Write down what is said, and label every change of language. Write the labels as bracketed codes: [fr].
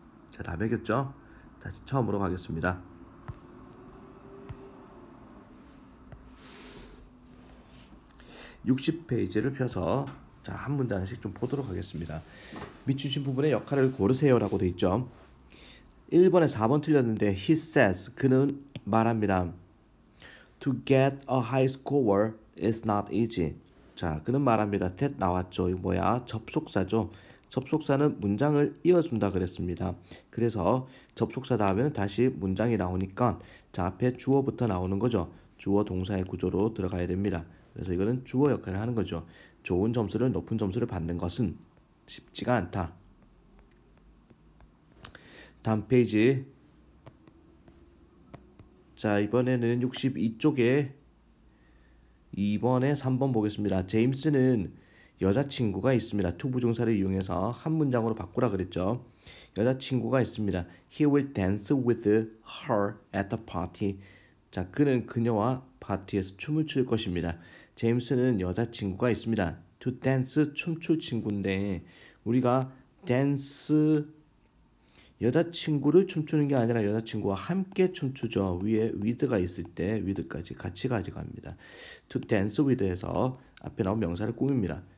[ko] 자, 다 매겼죠? 다시 처음으로 가겠습니다. 60페이지를 펴서 자, 한 문단씩 좀 보도록 하겠습니다. 밑주신 부분에 역할을 고르세요라고 돼 있죠. 1번에 4번 틀렸는데 [en] he says [ko] 그는 말합니다. [en] To get a high score is not easy. [ko] 자, 그는 말합니다. that 나왔죠. 이거 뭐야? 접속사죠. 접속사는 문장을 이어준다 그랬습니다. 그래서 접속사 다음에는 다시 문장이 나오니까 자, 앞에 주어부터 나오는 거죠. 주어 동사의 구조로 들어가야 됩니다. 그래서 이거는 주어 역할을 하는 거죠. 좋은 점수를 높은 점수를 받는 것은 쉽지가 않다. 다음 페이지. 자, 이번에는 62쪽에 2번에 3번 보겠습니다. 제임스는 여자친구가 있습니다. 투부정사를 이용해서 한 문장으로 바꾸라 그랬죠. 여자친구가 있습니다. [en] He will dance with her at the party. [ko] 자, 그는 그녀와 파티에서 춤을 출 것입니다. 제임스는 여자친구가 있습니다. [en] To dance, [ko] 춤출 친구인데 우리가 dance 여자친구를 춤추는 게 아니라 여자친구와 함께 춤추죠. 위에 with가 있을 때 with까지 같이 가져갑니다. [en] To dance with [ko] 에서 앞에 나온 명사를 꾸밉니다.